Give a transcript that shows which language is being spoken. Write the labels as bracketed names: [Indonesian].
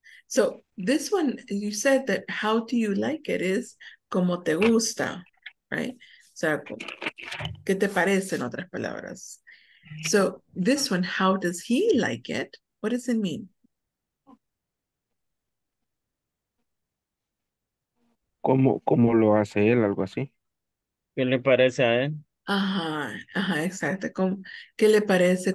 [English] So this one, you said that how do you like it is como te gusta, right? [Spanish] O sea, ¿qué te parece en otras palabras? [English] So this one, how does he like it? What does it mean? [Spanish] ¿Cómo lo hace él? Algo así. ¿Qué le parece a él? Ajá, exacto. ¿Qué le parece?